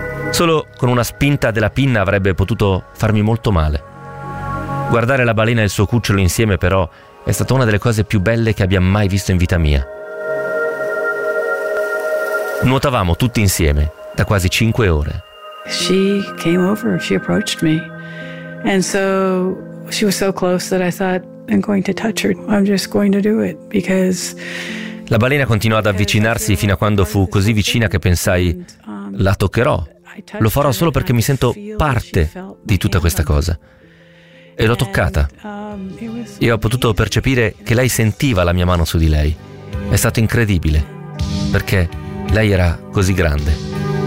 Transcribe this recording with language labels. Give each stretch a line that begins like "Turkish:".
Italian: Solo con una spinta della pinna avrebbe potuto farmi molto male. Guardare la balena e il suo cucciolo insieme, però, è stata una delle cose più belle che abbia mai visto in vita mia. Nuotavamo tutti insieme da quasi 5 ore.
English: She came over, she approached me. And so she was so close that I thought I'm going to touch her. I'm just going to do it because
Italian: la balena continuò ad avvicinarsi fino a quando fu così vicina che pensai la toccherò. Lo farò solo perché mi sento parte di tutta questa cosa. E l'ho toccata. E ho potuto percepire che lei sentiva la mia mano su di lei. È stato incredibile perché lei era così grande.